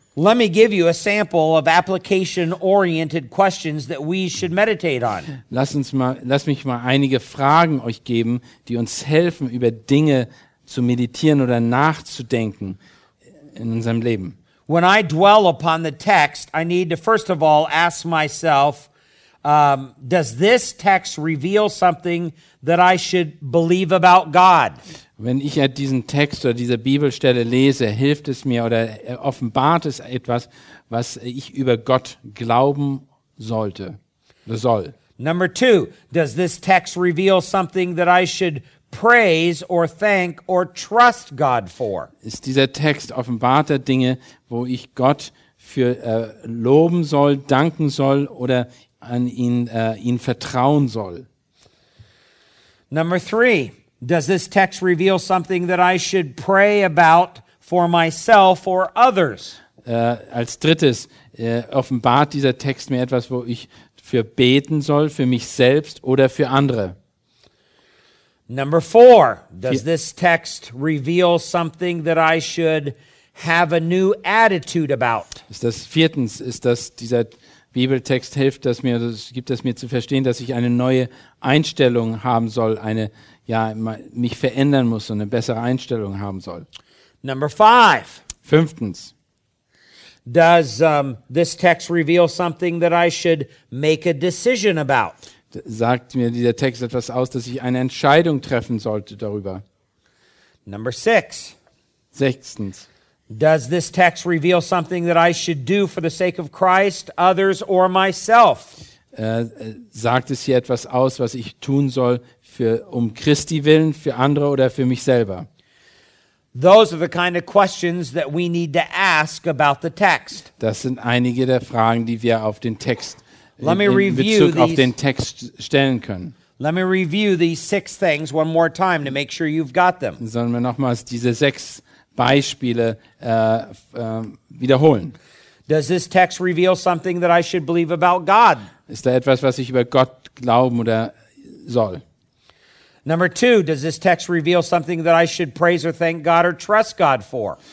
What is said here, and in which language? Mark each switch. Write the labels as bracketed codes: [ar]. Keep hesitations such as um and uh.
[en] Let me give you a sample of application oriented questions that we should meditate on. [de] Lass uns mal lass mich mal einige Fragen euch geben, die uns helfen über Dinge zu meditieren oder nachzudenken in unserem Leben. [en] When I dwell upon the text, I need to first of all ask myself, um, does this text reveal something that I should believe about God? [de] Wenn ich diesen Text oder diese Bibelstelle lese, hilft es mir oder offenbart es etwas, was ich über Gott glauben sollte oder soll. [en] Number two, does this text reveal something that I should praise or thank or trust God for? [de] Ist dieser Text offenbart Dinge, wo ich Gott für uh, loben soll, danken soll oder an ihn, uh, ihn, vertrauen soll. [en] Number three, does this text reveal something that I should pray about for myself or others? [de] Uh, als drittes, uh, offenbart dieser Text mir etwas, wo ich für beten soll, für mich selbst oder für andere. [en] Number four, does [de] Vier [en] this text reveal something that I should have a new attitude about? [de] Ist das viertens, ist das dieser Bibeltext hilft dass mir, das gibt es mir zu verstehen, dass ich eine neue Einstellung haben soll, eine, ja, mich verändern muss und eine bessere Einstellung haben soll. [en] Number five. [de] Fünftens. [en] Does um, this text reveal something that I should make a decision about? [de] Sagt mir dieser Text etwas aus, dass ich eine Entscheidung treffen sollte darüber? [en] Number six. [de] Sechstens. [en] Does this text reveal something that I should do for the sake of Christ, others, or myself? [de] Uh, sagt es hier etwas aus, was ich tun soll, für, um Christi willen, für andere oder für mich selber? [en] Those are the kind of questions that we need to ask about the text. [de] Das sind einige der Fragen, die wir auf den Text [en] Let in me in, review [de] Bezug [en] these, [de] auf den Text stellen können. [en] Let me review these six things one more time to make sure you've got them. [de] Sollen wir nochmals diese sechs Beispiele äh, äh, wiederholen. Ist da etwas, was ich über Gott glauben oder soll? [en] Number two, does this text reveal something that I should praise or thank God or trust God for?